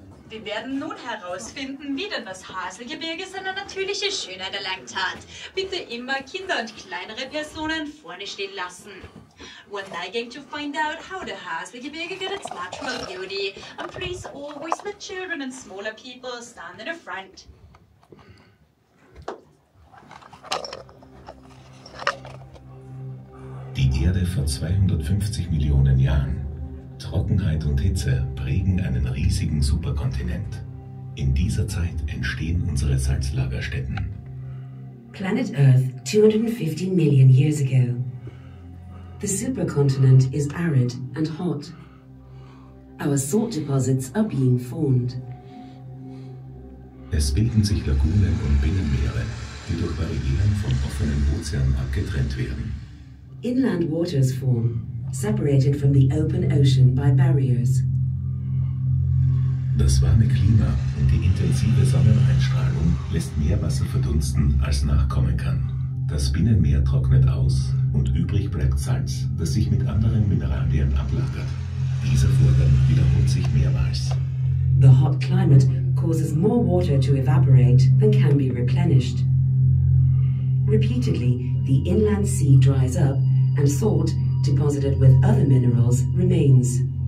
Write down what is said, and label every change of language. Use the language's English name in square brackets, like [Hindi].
[German] Wir werden nun herausfinden, wie denn das Haselgebirge seine natürliche Schönheit erlangt hat. Bitte immer Kinder und kleinere Personen vorne stehen lassen. [English] We're now going to find out how the Haselgebirge got its natural beauty. And please always let children and smaller people stand in the front. [German] Die Erde vor 250 Millionen Jahren. Trockenheit und Hitze prägen einen riesigen Superkontinent. In dieser Zeit entstehen unsere Salzlagerstätten. [English] Planet Earth, 250 million years ago. The supercontinent is arid and hot. Our salt deposits are being formed. [German] Es bilden sich Lagunen und Binnenmeere, die durch Barrieren vom offenen Ozean abgetrennt werden. [English] Inland waters form, separated from the open ocean by barriers. [German] Das warme Klima und die intensive Sonneneinstrahlung lässt mehr Wasser verdunsten, als nachkommen kann. Das Binnenmeer trocknet aus und übrig bleibt Salz, das sich mit anderen Mineralien ablagert. Dieser Vorgang wiederholt sich mehrmals. [English] The hot climate causes more water to evaporate than can be replenished. Repeatedly, the inland sea dries up and salt, deposited with other minerals, remains.